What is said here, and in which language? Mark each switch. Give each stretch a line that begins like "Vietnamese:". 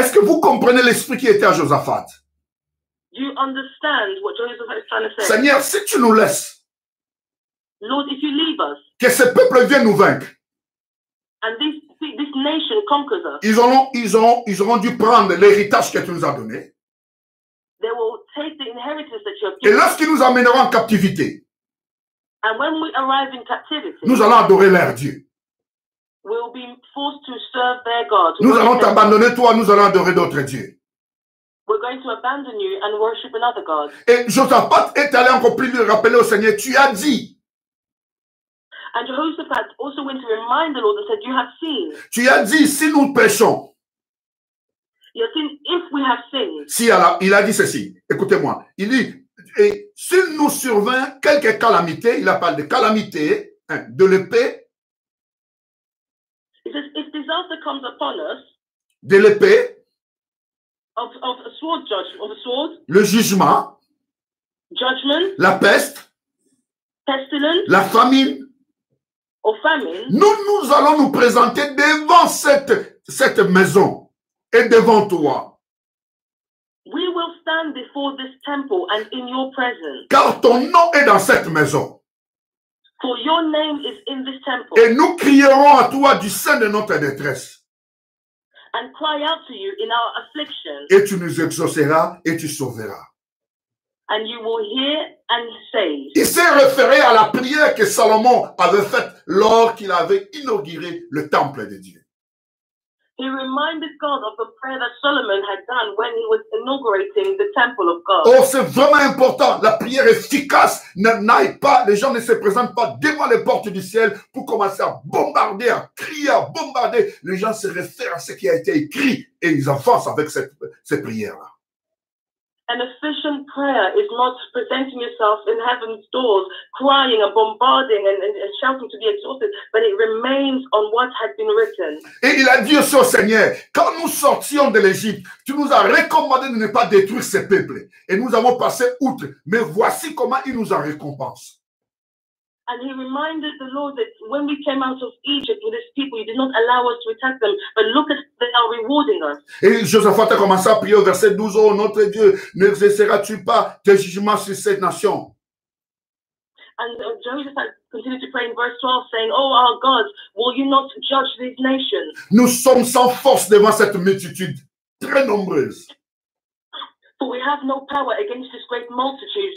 French: Est-ce que vous comprenez l'esprit qui était en Josaphat?
English: Do you understand what Josaphat is trying to say?
French: Seigneur, si tu nous laisses,
English: Lord, if you leave us,
French: que ce peuple vienne nous vaincre.
English: And this nation conquers us.
French: Ils auront dû prendre l'héritage que tu nous as donné.
English: They will take the inheritance that you have given.
French: Et lorsqu'ils nous amèneront en captivité,
English: and when we arrive in captivity,
French: nous allons adorer leur Dieu.
English: We will be forced to serve their God.
French: Nous allons t'abandonner toi, nous allons adorer d'autres dieux.
English: We're going to abandon you and worship another God.
French: Et Josaphat est allé encore plus loin, rappeler au Seigneur, tu as dit.
English: And Jehoshaphat also went to remind the Lord and said, you have seen.
French: Tu as dit, si nous péchons,
English: if we have sinned.
French: Si il a dit ceci, écoutez-moi. Il dit, et s'il nous survint quelques calamités, il a parlé de calamité, hein, de l'épée.
English: He says, if disaster comes upon us,
French: de l'épée,
English: of a sword, judge, of a sword,
French: le jugement,
English: judgment,
French: la peste,
English: pestilence,
French: la famine,
English: or famine,
French: nous allons nous présenter devant cette maison. Et devant toi.
English: We will stand before this temple and in your presence.
French: Car ton nom est dans cette maison.
English: For your name is in this temple.
French: Et nous crierons à toi du sein de notre détresse.
English: And cry out to you in our affliction.
French: Et tu nous exauceras et tu sauveras.
English: And you will hear and save.
French: Il s'est référé à la prière que Salomon avait faite lorsqu'il avait inauguré le temple de Dieu.
English: He reminded God of the prayer that Solomon had done when he was inaugurating the temple of God.
French: Oh, c'est vraiment important. La prière efficace n'aille pas, les gens ne se présentent pas devant les portes du ciel pour commencer à bombarder, à crier, à bombarder. Les gens se réfèrent à ce qui a été écrit et ils avancent avec cette prière-là.
English: An efficient prayer is not presenting yourself in heaven's doors, crying and bombarding and shouting to be exhausted, but it remains on what had been written.
French: Et il a dit aussi au Seigneur, quand nous sortions de l'Égypte, tu nous as recommandé de ne pas détruire ces peuples. Et nous avons passé outre. Mais voici comment il nous en récompense.
English: And he reminded the Lord that when we came out of Egypt with his people, he did not allow us to attack them. But look at they are rewarding us.
French: Et Josaphat a commencé à prier au verset 12, oh notre Dieu, n'exerceras-tu pas tes jugements sur cette nation?
English: And Josaphat continued to pray in verse 12, saying, oh our God, will you not judge these nations?
French: Nous sommes sans force devant cette multitude très nombreuse.
English: For we have no power against this great multitude.